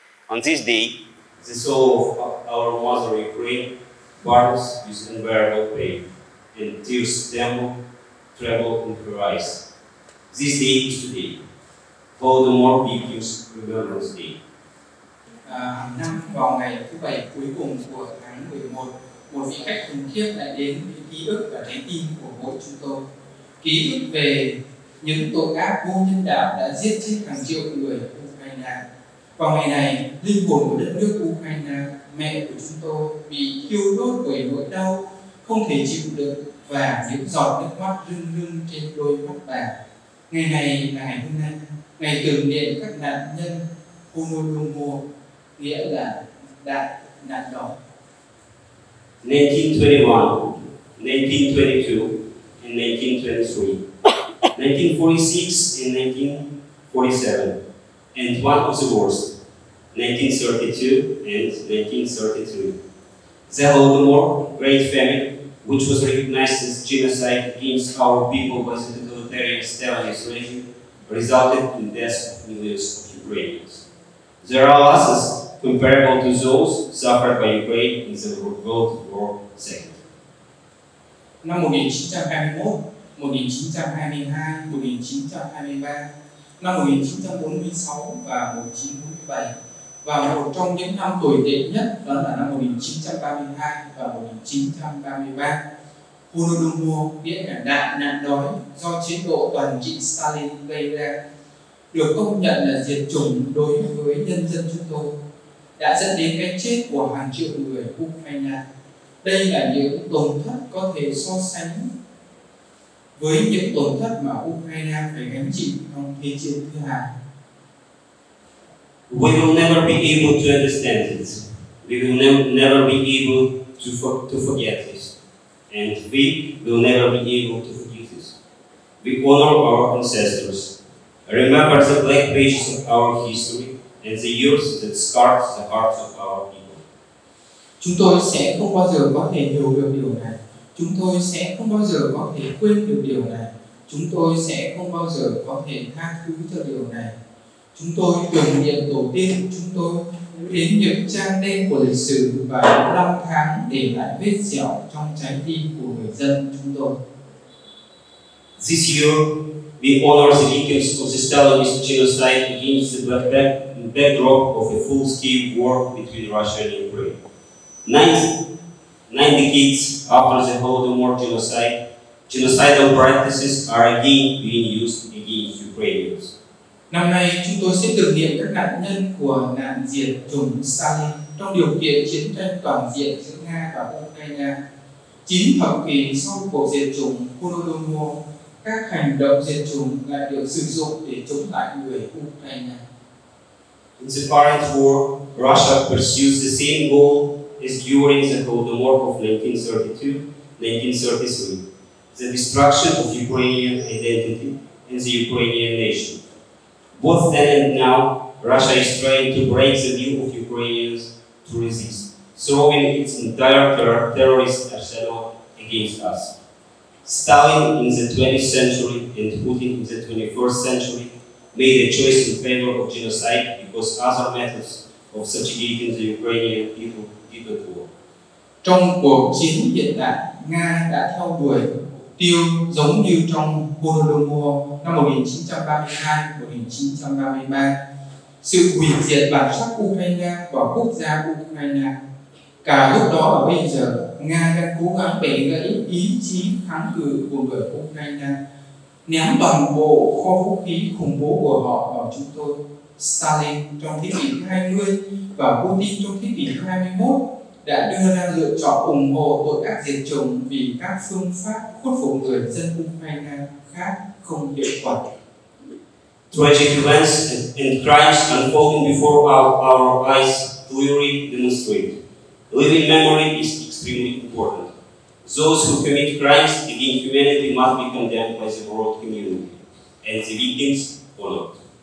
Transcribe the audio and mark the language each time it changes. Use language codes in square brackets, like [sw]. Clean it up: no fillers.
[en] On this day, the soul of our mother Ukraine burns with unbearable pain, and tears tremble, in her eyes. This day is today, for the more victims Remembrance Day. [vi] Năm vào ngày thứ bảy cuối cùng của tháng 11, một vị khách khủng khiếp lại đến với ký ức và trái tim của mỗi chúng tôi. Ký ức về những tội ác vô nhân đạo đã giết chết hàng triệu người Ukraine. Vào ngày này, linh hồn của đất nước Ukraine, mẹ của chúng tôi bị thiêu đốt bởi nỗi đau, không thể chịu được và những giọt nước mắt rưng rưng trên đôi mắt bà. Ngày này là ngày hôm nay, ngày tưởng niệm các nạn nhân Holodomor, nghĩa là đại nạn đói. [en] 1921, 1922 and 1923, 1946 and 1947, and one of the worst, 1932 and 1933. The Holodomor, Great Famine, which was recognized as genocide against our people by the totalitarian Stalinist regime, resulted in deaths of millions of Ukrainians. There are losses comparable to those suffered by Ukraine in the World War II. [vi] Năm 1921, 1922, 1923, năm 1946 và 1947, và một trong những năm tồi tệ nhất đó là năm 1932 và 1933. Holodomor, nghĩa là đại nạn đói do chế độ toàn trị Stalin gây ra, được công nhận là diệt chủng đối với nhân dân chúng tôi, đã dẫn đến cái chết của hàng triệu người Ukraine. Đây là những tổn thất có thể so sánh với những tổn thất mà Ukraine phải gánh chịu trong Thế chiến thứ hai. [en] We will never be able to understand it. We will never be able to forget this. And we will never be able to forgive this. We honor our ancestors, remember the black pages of our history and the years that scarred the hearts of our people. [vi] Chúng tôi sẽ không bao giờ có thể hiểu được điều này. Chúng tôi sẽ không bao giờ có thể quên được điều này. Chúng tôi sẽ không bao giờ có thể tha thứ cho điều này. Chúng tôi tưởng niệm tổ tiên của chúng tôi đến những trang đen của lịch sử và năm tháng để lại vết sẹo trong trái tim của người dân chúng tôi. [en] This year, we honor the victims of the Stalinist genocide against the backdrop of a full-scale war between Russia and Ukraine. Nine decades after the Holodomor genocide, genocidal practices are again being used against Ukrainians. [vi] Năm nay, chúng tôi sẽ tưởng niệm các nạn nhân của nạn diệt chủng Stalin trong điều kiện chiến tranh toàn diện giữa Nga và Ukraine. Chín thập kỷ sau cuộc diệt chủng Holodomor, các hành động diệt chủng lại được sử dụng để chống lại người Ukraine. [en] In the current war, Russia pursues the same goal as during the Holodomor of 1932-1933, the destruction of Ukrainian identity and the Ukrainian nation. Both then and now, Russia is trying to break the will of Ukrainians to resist, throwing its entire terrorist arsenal against us. Stalin in the 20th century and Putin in the 21st century made a choice in favor of genocide because other methods of subjugating the Ukrainian people didn't work. [vi] Trong cuộc chiến hiện tại, Nga đã theo đuổi tiêu giống như trong Holodomor năm 1932-1933, sự hủy diệt bản sắc Ukraine và quốc gia Ukraine. Cả lúc đó và bây giờ, Nga đang cố gắng bẻ gãy ý chí kháng cự của người Ukraine, ném toàn bộ kho vũ khí khủng bố của họ vào chúng tôi, Stalin trong thế kỷ 20 và Putin trong thế kỷ 21. Đã đưa ra lựa chọn ủng hộ tội ác diệt chủng vì các phương pháp khuất phục người dân Ukraine khác không hiệu quả. [en] Tragic events and crimes unfolding before our eyes clearly demonstrate. Living memory is extremely important. Those who commit crimes against humanity must be condemned by the world community, and the victims followed.